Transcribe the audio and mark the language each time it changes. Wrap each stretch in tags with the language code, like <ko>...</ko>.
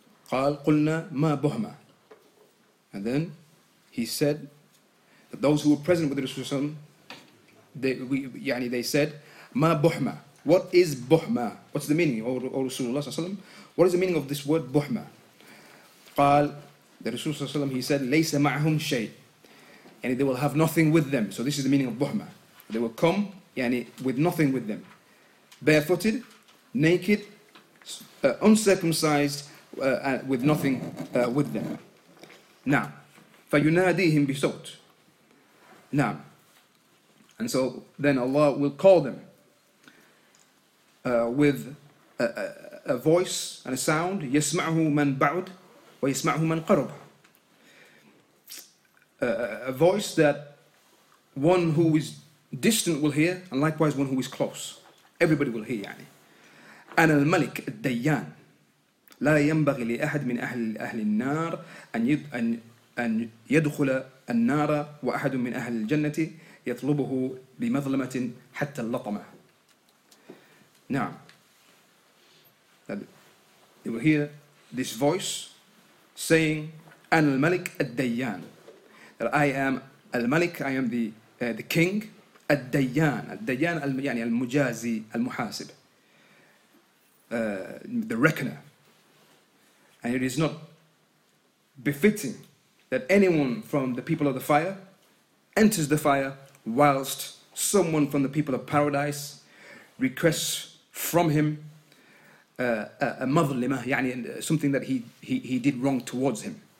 <ar>قال قلنا ما بهما.</ar> <en>And then he said that those who were present with the Rasulullah, they said,</en> <ar>ما بهما.</ar> <en>What is بهما? What's the meaning, O Rasulullah? What is the meaning of this word بهما?</en> <ar>قال</ar> <en>the Rasulullah, he said,</en> <ar>ليس معهم شيء.</ar> <en>And they will have nothing with them. So this is the meaning of بهما. They will come</en> <ar>يعني,</ar> <en>with nothing with them. Barefooted, naked, uncircumcised, with nothing with them. Now,</en> <ar>فَيُنَادِيهِمْ بِصَوْتْ.</ar> <en>Now, and so then Allah will call them with a voice and a sound.</en> <ar>يَسْمَعْهُ مَنْ بَعُدْ وَيَسْمَعْهُ مَنْ قَرُبْ.</ar> <en>A voice that one who is distant will hear, and likewise one who is close. Everybody will hear,</en> <ar>يعني. أَنَا الْمَلِكُ الدَّيَّانُ لا ينبغي لأحد من أهل النار أن يدخل النار وأحد من أهل الجنة يطلبه بمظلمة حتى اللطمة. نعم.</ar> <en>You will hear this voice saying,</en> <ar>أنا الملك الديان.</ar> <en>That I am الملك, I am the king. الديان.</en> <ar>الديان يعني المجازي المحاسب.</ar> <en>The reckoner. And it is not befitting that anyone from the people of the fire enters the fire whilst someone from the people of paradise requests from him a mazlima, yani something that he did wrong towards him.</en>